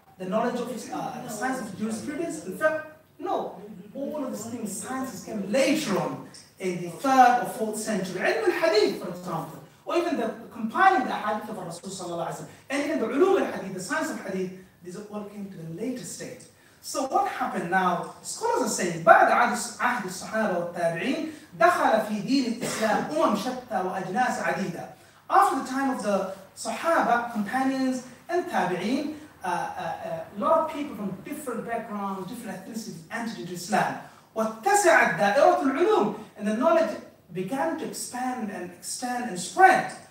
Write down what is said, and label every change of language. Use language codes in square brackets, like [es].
[en] The knowledge of the science of jurisprudence, in fact, no. All of these things, sciences came later on in the 3rd or 4th century. Ilm al-Hadith, for example, or even the compiling the Hadith of Rasulullah ﷺ, and even the Ulum al-Hadith, the science of Hadith, these all came to the later state. So what happened now? Scholars are saying, [ar] بعد عهد الصحابة والتابعين دخل في دين الإسلام أمم شتى وأجناس عديدة. [en] After the time of the Sahaba, companions and tabi'in, a lot of people from different backgrounds, different ethnicities entered into Islam. [ar] وَاتَّسَعَتْ دَائِرَةُ الْعُلُومِ. [en] And the knowledge began to expand and extend and spread.